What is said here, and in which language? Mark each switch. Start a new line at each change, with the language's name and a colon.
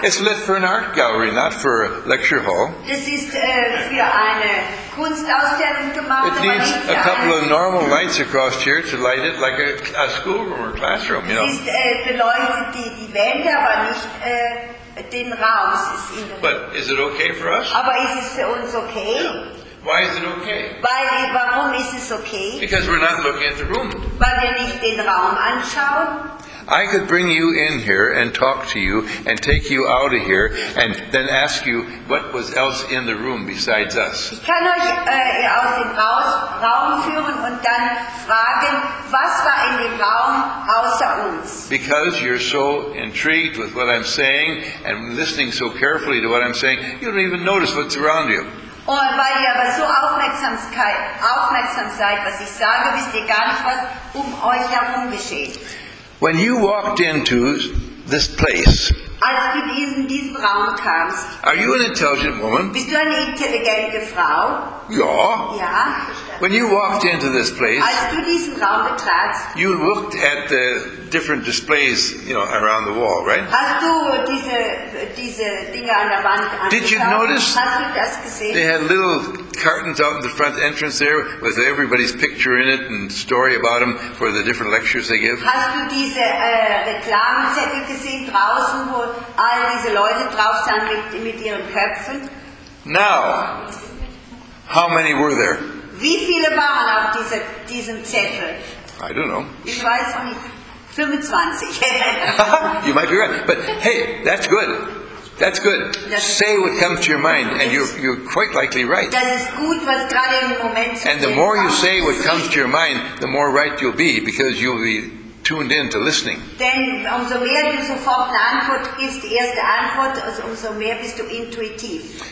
English: It's lit for an art gallery, not for a lecture hall.
German: Das ist für eine Kunstausstellung gemacht.
English: It needs a couple of normal lights across here to light it like a schoolroom or classroom, you know.
German: Es beleuchtet die Wände, aber nicht den Raum. Es ist in der
English: But is it okay for us?
German: Aber ist es für uns okay? Yeah.
English: Why is it okay?
German: Warum ist es okay?
English: Because we're not looking at the room.
German: Weil wir nicht den Raum anschauen.
English: I could bring you in here and talk to you and take you out of here and then ask you what was else in the room besides us.
German: Ich kann euch aus dem Raum führen und dann fragen, was war in dem Raum außer uns.
English: Because you're so intrigued with what I'm saying and listening so carefully to what I'm saying, you don't even notice what's around you.
German: Und weil ihr aber so aufmerksam seid, was ich sage, wisst ihr gar nicht, was um euch herum geschieht.
English: When you walked into this place,
German: Als du in diesen Raum kamst.
English: Are you an intelligent woman?
German: Bist du eine intelligente Frau? Ja. Ja.
English: When you walked into this place,
German: als du diesen Raum betratst,
English: you looked at the different displays, you know, around the wall, right?
German: Hast du diese Dinge an der Wand angeschaut?
English: Did you notice?
German: Hast du das gesehen?
English: They had little cartons out in the front entrance there with everybody's picture in it and story about them for the different lectures they give.
German: Hast du diese Reklamezettel gesehen draußen, wo all diese Leute drauf sind mit ihren Köpfen?
English: Now, how many were there?
German: Wie viele waren auf diesem Zettel?
English: I don't know.
German: Ich weiß nicht. 25.
English: You might be right. But hey, that's good. That's good. Say what comes to your mind, and you're quite likely right.
German: Das ist gut, was gerade im Moment.
English: And the more you say what comes to your mind, the more right you'll be, because you'll be tuned in to listening.
German: Denn umso mehr du sofort eine Antwort gibst, die erste Antwort, umso mehr bist du intuitiv.